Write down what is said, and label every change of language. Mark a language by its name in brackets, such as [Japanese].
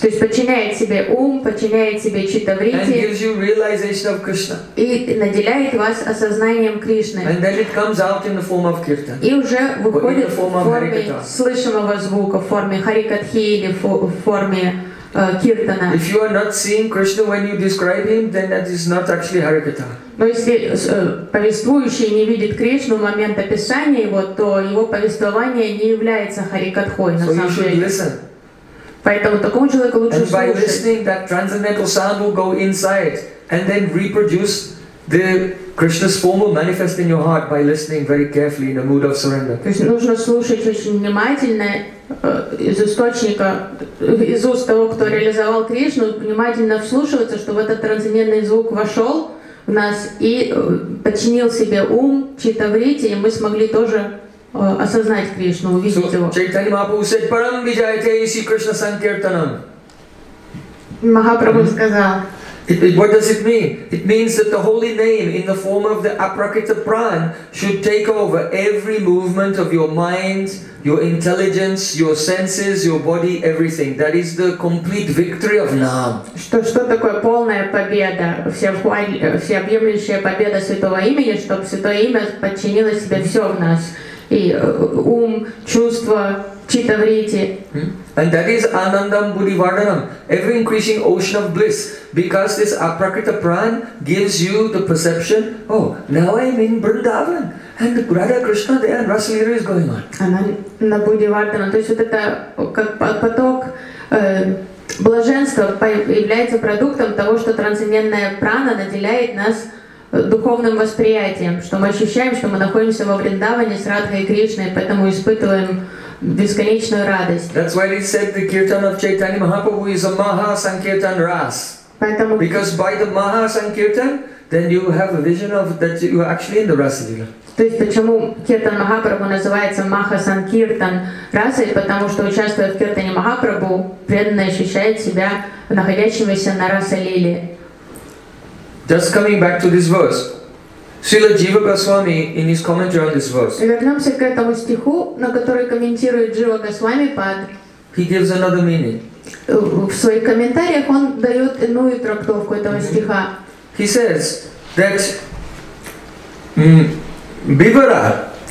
[Russian] То есть подчиняет себе ум, подчиняет себе читта-вритти. [English] And gives you realization of Krishna. [Russian] И наделяет вас осознанием Кришны. [English] And then it comes out in the form of kirtan. [Russian] И уже выходит в форме слышимого звука, в форме харикатхи или в форме киртана. [English] If you are not seeing Krishna when you describe him, then that is not actually harikata. [Russian] Но если повествующий не видит Кришну в момент описания его, то его повествование не является харикатхой на самом деле. [English] So you should listen. [Russian] Поэтому такому человеку лучше слушать. [English] And by listening, that transcendental sound will go inside and then reproduce the Krishna's form will manifest in your heart by listening very carefully in a mood of surrender. [Russian] То есть нужно слушать очень внимательно из источника, из уст того, кто реализовал Кришну, внимательно вслушиваться, чтобы этот трансцендентный звук вошел в нас и подчинил себе ум, чита-вритти, и мы смогли тоже осознать Кришну, увидеть его. [Sanskrit] Чайтанья Махапрабху [English] said, [Sanskrit] Param vijayate isi Krishna sankirtanam. [Russian] Махапрабху сказал, [English] What does it mean? It means that the holy name in the form of the Aprakita Pran should take over every movement of your mind, your intelligence, your senses, your body, everything. That is the complete victory of Nam. [Russian] Что такое полная победа, всеобъемлющая победа святого имени, чтобы святое имя подчинило себе все в нас. И ум, чувства, читаврити. [English] And that is [Sanskrit] Anandam Buddhivardhanam, [English] every increasing ocean of bliss, because this Aprakita Pran gives you the perception, oh, now I am in Vrindavan, and the Radha Krishna there and Rasalila is going on. [Sanskrit] Anandam Buddhivardhanam, [Russian] то есть вот это как поток блаженства является продуктом того, что трансцендентная прана наделяет нас духовным восприятием, что мы ощущаем, что мы находимся во Вриндаване с Радхой Кришной, поэтому испытываем бесконечную радость. [English] That's why they said the kirtan of Chaitanya Mahaprabhu is a Maha Sankirtan Ras. [Russian] Поэтому, [English] because by the Maha Sankirtan, then you have a vision of that you are actually in the Rasalila. [Russian] То есть почему Киртан Махапрабху называется Маха Санкиртан Расой, потому что участвуя в Киртане Махапрабху, преданный ощущает себя находящимся на Расалиле. [English] Just coming back to this verse. Srila Jiva Goswami in his commentary on this verse. [Russian] Вернемся к этому стиху, на который комментирует Джива Госвами Пад. [English] He gives another meaning. [Russian] В своих комментариях он дает иную трактовку этого стиха. [English] He says that Vivara.